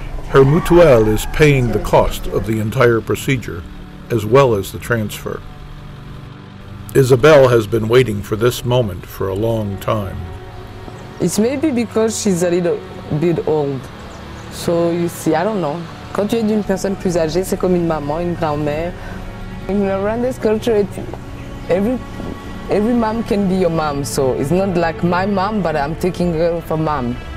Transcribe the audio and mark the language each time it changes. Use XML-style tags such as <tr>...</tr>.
<en>Her mutuelle is paying the cost of the entire procedure, as well as the transfer. Isabel has been waiting for this moment for a long time. It's maybe because she's a little bit old. So you see, I don't know.</en> <fr>Quand tu es d'une personne plus âgée, c'est comme une maman, une grand-mère.</fr> <en>In the Rwandese culture, every mom can be your mom. So it's not like my mom, but I'm taking her for mom.</en>